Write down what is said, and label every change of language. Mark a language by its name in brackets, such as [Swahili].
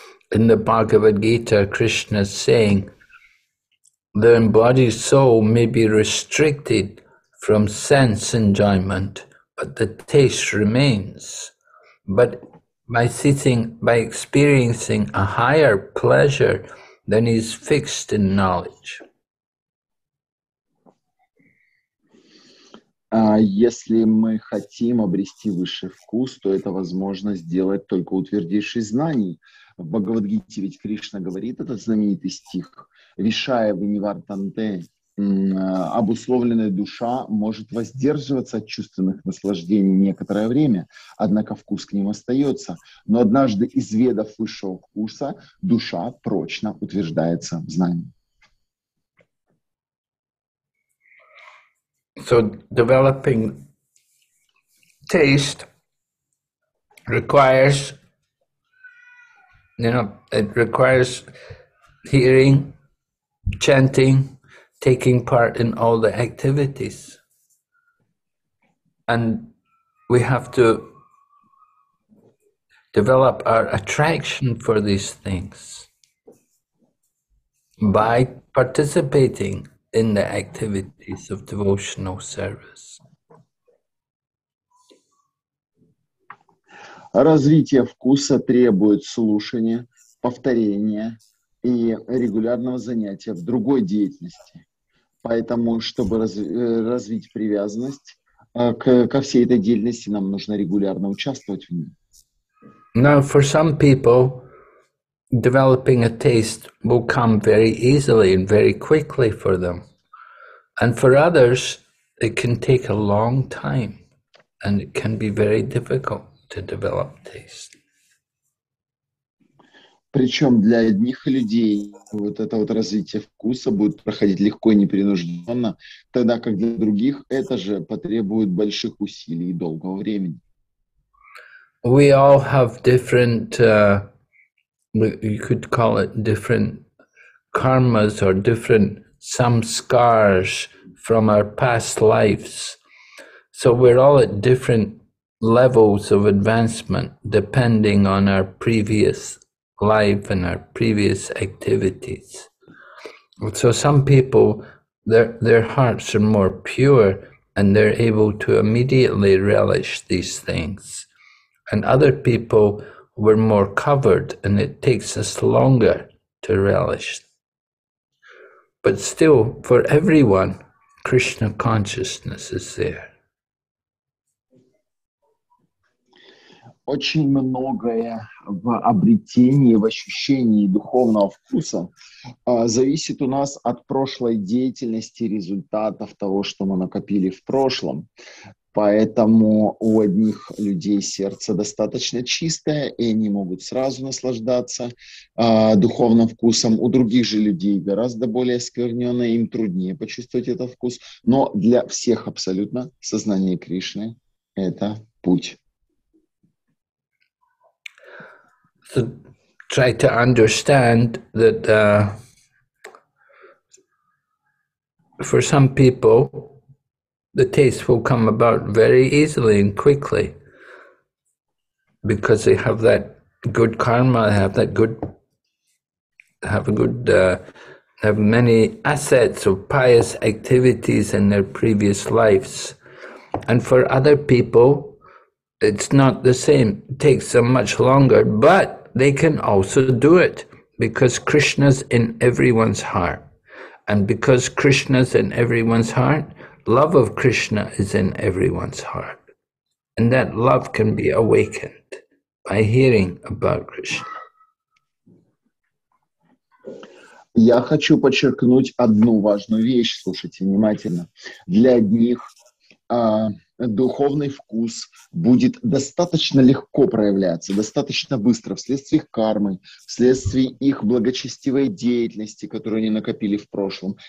[English] In the Bhagavad Gita, Krishna is saying, the embodied soul may be restricted from sense enjoyment, but the taste remains. But by experiencing a higher pleasure, then he's fixed in knowledge. [Russian] Если мы хотим обрести высший вкус, то это возможно сделать только утвердившись знаний. В Бхагавад-гите ведь Кришна говорит этот знаменитый стих: [Sanskrit] «Вишая винивартанте», [Russian] обусловленная душа может воздерживаться от чувственных наслаждений некоторое время, однако вкус к ним остается. Но однажды, изведав высшего вкуса, душа прочно утверждается в знании. [English] So developing taste requires, you know, it requires hearing, chanting, taking part in all the activities. And we have to develop our attraction for these things by participating in the activities of devotional service. [Russian] Развитие вкуса требует слушания, повторения и регулярного занятия в другой деятельности. Поэтому, чтобы развить привязанность ко всей этой деятельности, нам нужно регулярно участвовать в ней. [English] Now, for some people, developing a taste will come very easily and very quickly for them. And for others, it can take a long time, and it can be very difficult to develop taste. [Russian] Причем для одних людей вот это вот развитие вкуса будет проходить легко и непринужденно, тогда как для других это же потребует больших усилий и долгого времени. [English] We all have different, you could call it different karmas or different samskars from our past lives. So we're all at different levels of advancement depending on our previous life and our previous activities. So some people, their hearts are more pure and they're able to immediately relish these things. And other people were more covered and it takes us longer to relish. But still, for everyone, Krishna consciousness is there. [Russian] Очень многое в обретении, в ощущении духовного вкуса зависит у нас от прошлой деятельности, результатов того, что мы накопили в прошлом. Поэтому у одних людей сердце достаточно чистое, и они могут сразу наслаждаться духовным вкусом. У других же людей гораздо более скверненное, им труднее почувствовать этот вкус. Но для всех абсолютно сознание Кришны — это путь. [English] So try to understand that for some people, the taste will come about very easily and quickly because they have that good karma, have many assets of pious activities in their previous lives. And for other people, it's not the same, it takes them much longer, but they can also do it because Krishna's in everyone's heart. And because Krishna's in everyone's heart, love of Krishna is in everyone's heart. And that love can be awakened by hearing about Krishna. [Russian] Я хочу подчеркнуть одну важную вещь, слушайте внимательно. Для одних духовный вкус будет достаточно легко проявляться, достаточно быстро, вследствие их кармы, вследствие их благочестивой деятельности, которую они накопили в прошлом.